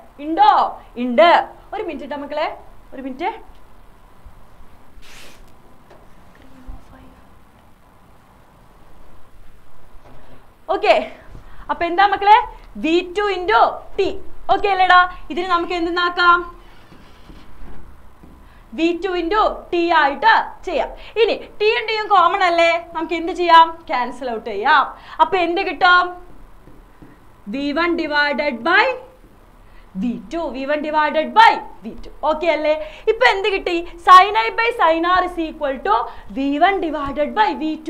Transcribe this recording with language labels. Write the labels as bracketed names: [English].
[Malayalam] ഉണ്ടോ? ഉണ്ട്. ഒരു മിനിറ്റ് കേട്ടോ മക്കളെ, ഒരു മിനിറ്റ്. ഓക്കെ, അപ്പൊ എന്താ മക്കളെ? V two into T. Okay അല്ലേടാ. ഇതിന് നമുക്ക് എന്തെന്നാക്കാം? V2 into T ആയിട്ട് ചെയ്യാം. ഇനി T യും D യും കോമൺ അല്ലേ, നമുക്ക് എന്ത് ചെയ്യാം, ക്യാൻസൽ ഔട്ട് ചെയ്യാം. അപ്പോൾ എന്ത് കിട്ടും, [English] V1 divided by V2, V1 divided by V2. Okay, [Malayalam] alle. Ippa endu kitti? [English] Sin I by sin R is equal to V1 divided by V2.